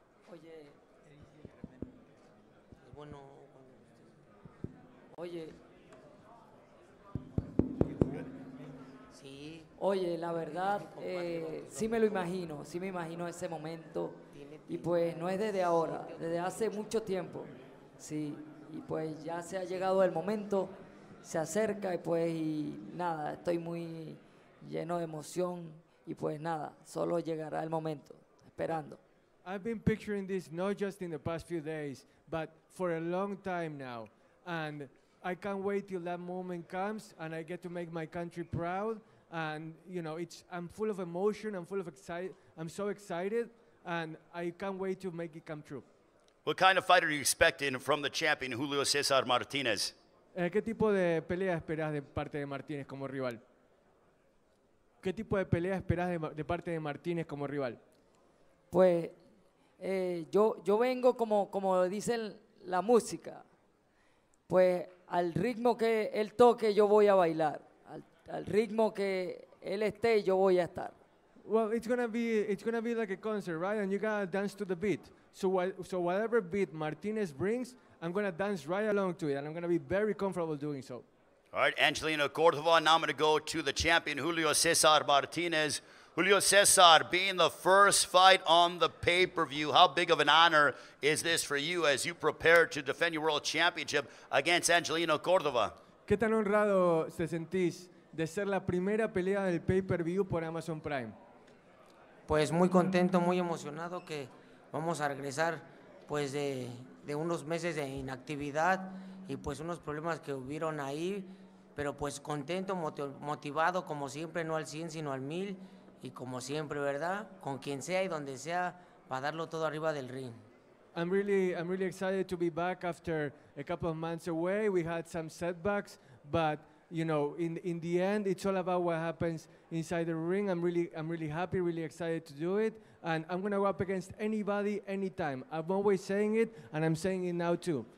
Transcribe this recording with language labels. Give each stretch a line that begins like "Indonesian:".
Spanish: Oye, bueno, oye, sí, oye, la verdad, sí me lo imagino, sí me imagino ese momento. Y pues no es desde ahora, desde hace mucho tiempo, sí, y pues ya se ha llegado el momento, se acerca y pues y nada, estoy muy lleno de emoción y pues nada, solo llegará el momento, esperando.
English: I've been picturing this not just in the past few days, but for a long time now, and I can't wait till that moment comes and I get to make my country proud, and you know, I'm full of emotion, I'm full of excitement, I'm so excited. And I can't wait to make it come true. What kind of fighter are you expecting from the champion Julio Cesar Martinez?
Spanish: ¿Qué tipo de pelea esperas de parte de Martinez como rival? ¿Qué tipo de pelea esperas de parte de Martinez como rival? Pues yo vengo como dicen la música. Pues al ritmo que él toque yo voy a bailar. Al ritmo que él esté yo voy a estar.
English: Well, it's gonna be like a concert, right? And you gotta dance to the beat. So whatever beat Martinez brings, I'm gonna dance right along to it, and I'm gonna be very comfortable doing so. All right, Angelino Cordova. Now I'm gonna go to the champion, Julio Cesar Martinez. Julio Cesar, being the first fight on the pay-per-view, how big of an honor is this for you as you prepare to defend your world championship against Angelino Cordova?
Spanish: ¿Qué tan honrado se sentís de ser la primera pelea del pay-per-view por Amazon Prime? Pues muy contento, muy emocionado que vamos a regresar pues de unos meses de inactividad y pues unos problemas que hubieron ahí, pero pues contento, motivado como siempre, no al 100 sino al 1000 y como siempre, ¿verdad? Con quien sea y donde sea para darlo todo arriba del ring.
English: I'm really excited to be back after a couple of months away. We had some setbacks, but you know, in the end, it's all about what happens inside the ring. I'm really happy, really excited to do it. And I'm going to go up against anybody, anytime. I'm always saying it, and I'm saying it now, too.